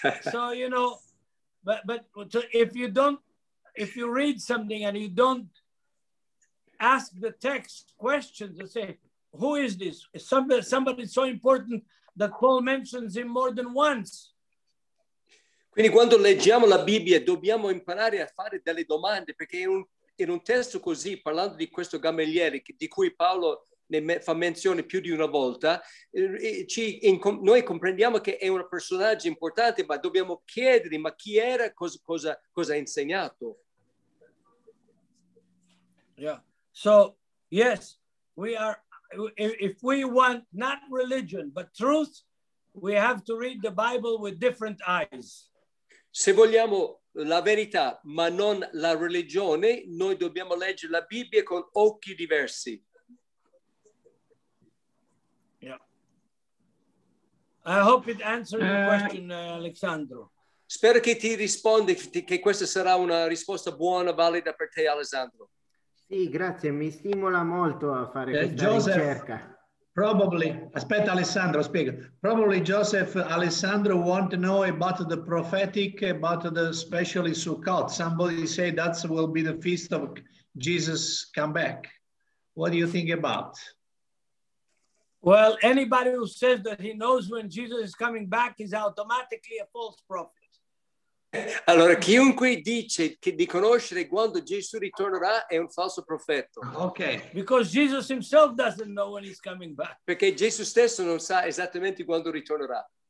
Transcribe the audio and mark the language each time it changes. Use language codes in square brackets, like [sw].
[en] So you know, but if you read something and you don't ask the text questions and say, who is this? Somebody so important that Paul mentions him more than once. [it] Quindi quando leggiamo la Bibbia dobbiamo imparare a fare delle domande, perché in un testo così, parlando di questo gamelliere di cui Paolo fa menzione più di una volta, noi comprendiamo che è un personaggio importante, ma dobbiamo chiedere: ma chi era, cosa ha insegnato? [en] Yeah. So, yes, we are, if we want not religion, but truth, we have to read the Bible with different eyes. [it] Se vogliamo la verità, ma non la religione, noi dobbiamo leggere la Bibbia con occhi diversi. [en] Yeah. I hope it answers the question, Alessandro. [it] Spero che ti rispondi, che questa sarà una risposta buona, valida per te, Alessandro. Sì, grazie, mi stimola molto a fare questa Joseph, ricerca. [en] Probably, [it] aspetta Alessandro, spiega. [en] Probably Joseph Alessandro want to know about the prophetic, about the especially Sukkot. Somebody say that will be the feast of Jesus come back. What do you think about? Well, anybody who says that he knows when Jesus is coming back is automatically a false prophet. [it] Allora, chiunque dice che di conoscere quando Gesù ritornerà è un falso profeta. [en] Okay. Because Jesus himself doesn't know when he's coming back. [it] Perché Gesù stesso non sa esattamente quando ritornerà.